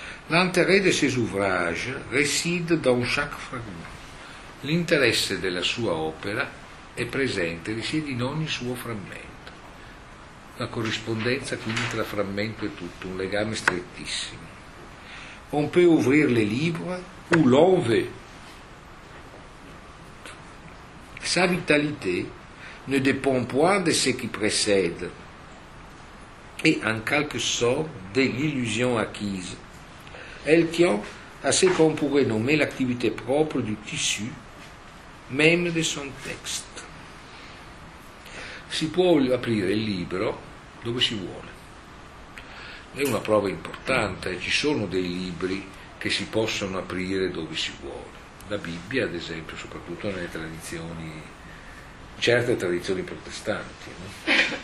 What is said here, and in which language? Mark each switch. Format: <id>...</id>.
<fr>L'intérêt de ses ouvrages réside dans chaque fragment.</fr> <it>L'interesse della sua opera è presente, risiede in ogni suo frammento. La corrispondenza quindi tra frammento e tutto, un legame strettissimo.</it> <fr>On peut ouvrir les livres où l'on veut. Sa vitalité ne dépend point de ce qui précède et en quelque sorte de l'illusion acquise. Elle tient à ce qu'on pourrait nommer l'activité propre du tissu, même de son texte.</fr> <it>Si può aprire il libro dove si vuole. È una prova importante, ci sono dei libri che si possono aprire dove si vuole. La Bibbia, ad esempio, soprattutto nelle tradizioni, certe tradizioni protestanti, no?</it>